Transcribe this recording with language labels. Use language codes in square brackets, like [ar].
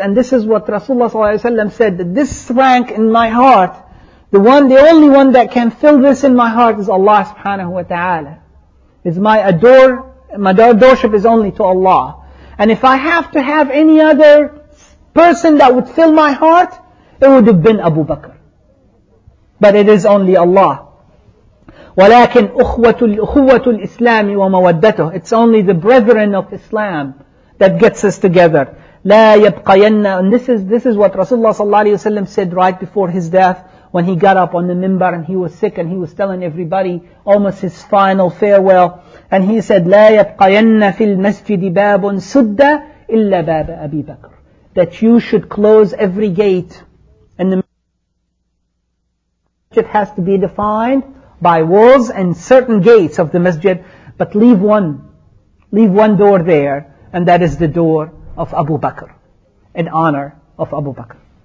[en] And this is what Rasulullah ﷺ said, that this rank in my heart, the only one that can fill this in my heart is Allah subhanahu wa ta'ala. Is my adorship is only to Allah. And if I have to have any other person that would fill my heart, it would have been Abu Bakr. But it is only Allah. [ar] ولكن أخوة الإسلام ومودته. [en] It's only the brethren of Islam that gets us together. [ar] لا يبقينا. [en] And this is what Rasulullah sallallahu alayhi wa sallam said right before his death, when he got up on the minbar and he was sick and he was telling everybody almost his final farewell. And he said, [ar] لا يبقين في المسجد باب سد إلا باب أبي بكر. [en] That you should close every gate. And the masjid has to be defined by walls and certain gates of the masjid. But leave one door there. And that is the door of Abu Bakr. In honor of Abu Bakr.